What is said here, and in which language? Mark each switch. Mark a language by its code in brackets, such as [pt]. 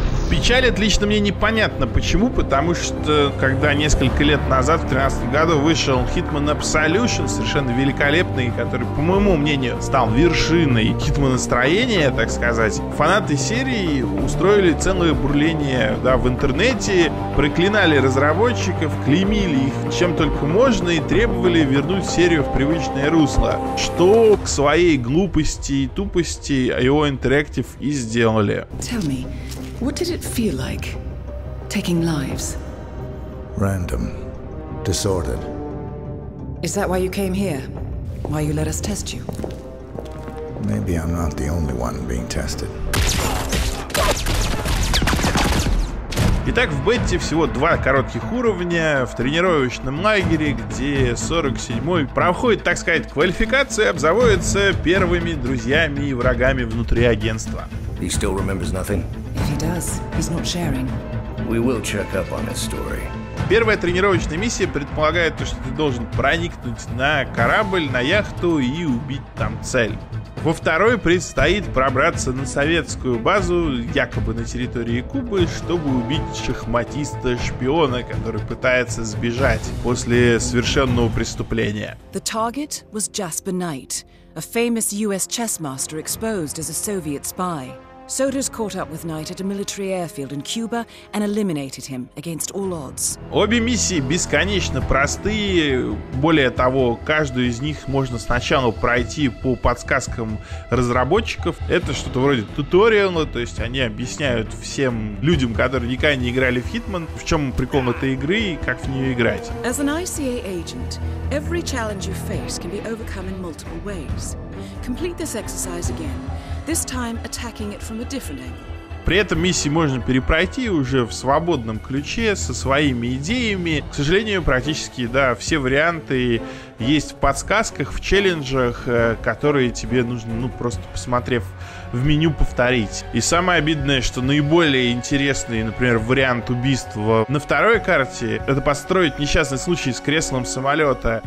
[ru] Печалит лично мне непонятно почему, потому что когда несколько лет назад, в 2013 году, вышел Hitman Absolution, совершенно великолепный, который, по моему мнению, стал вершиной хитманостроения, так сказать, фанаты серии устроили целое бурление, да, в интернете, проклинали разработчиков, клеймили их чем только можно и требовали вернуть серию в привычное русло, что к своей глупости и тупости IO Interactive и сделали. [en] Tell me. What did it feel like, taking lives? Random. Disordered. Is that why you came here? Why you let us test you? Maybe I'm not the only one being tested. [ru] Итак, в бете всего два коротких уровня в тренировочном лагере, где 47-й проходит, так сказать, квалификацию и обзаводится первыми друзьями и врагами внутри агентства. [en] He still remembers nothing? If he does, he's not sharing. We will check up on his story. [ru] Первая тренировочная миссия предполагает то, что ты должен проникнуть на корабль, на яхту и убить там цель. Во второй предстоит пробраться на советскую базу, якобы на территории Кубы, чтобы убить шахматиста-шпиона, который пытается сбежать после совершенного преступления. [en] The target was Jasper Knight, a famous US chess master exposed as a Soviet spy. Soders caught up with Knight at a military airfield in Cuba and eliminated him against all odds. [ru] Обе миссии бесконечно простые. Более того, каждую из них можно сначала пройти по подсказкам разработчиков. Это что-то вроде туториала, то есть они объясняют всем людям, которые никогда не играли в Hitman, в чем прикол этой игры и как в нее играть. [en] As an ICA agent, every challenge you face can be overcome in multiple ways. Complete this exercise again. This time attacking it from a different angle. [ru] При этом миссии можно перепройти уже в свободном ключе, со своими идеями. К сожалению, практически, да, все варианты есть в подсказках, в челленджах, которые тебе нужно, ну, просто посмотрев в меню, повторить. И самое обидное, что наиболее интересный, например, вариант убийства на второй карте — это построить несчастный случай с креслом самолета.